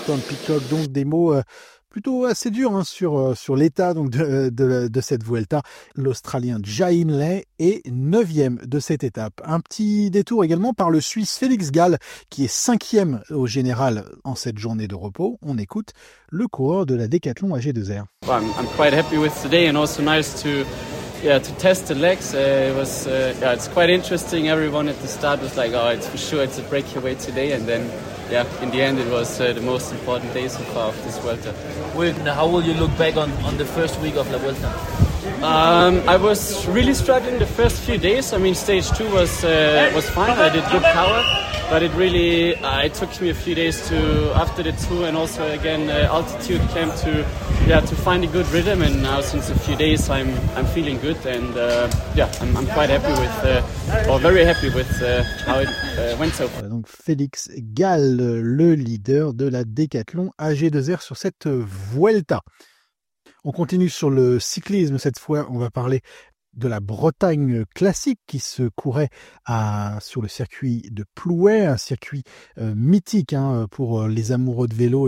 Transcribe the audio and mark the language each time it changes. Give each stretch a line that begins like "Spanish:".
French: Tom Peacock, donc des mots plutôt assez durs hein, sur l'état donc de cette Vuelta. L'Australien Jaime Lay est 9e de cette étape. Un petit détour également par le Suisse Félix Gall, qui est 5e au général en cette journée de repos. On écoute le coureur de la Décathlon à G2R.
English: Well, I'm quite happy with today, and also nice to test the legs. It's quite interesting. Everyone at the start was like, oh, it's for sure, it's a breakaway today, and then in the end, it was the most important day so far of this Vuelta. Now, how will you look back on the first week of La Vuelta? I was really struggling the first few days. I mean, stage two was fine. I did good power, but it really it took me a few days to after the two and also again altitude camp to find a good rhythm. And now since a few days, I'm feeling good, and I'm quite happy with very happy with how it went so far.
French: Donc Félix Gall, le leader de la Décathlon AG2R sur cette Vuelta. On continue sur le cyclisme, cette fois on va parler de la Bretagne classique qui se courait sur le circuit de Plouay, un circuit mythique hein, pour les amoureux de vélo.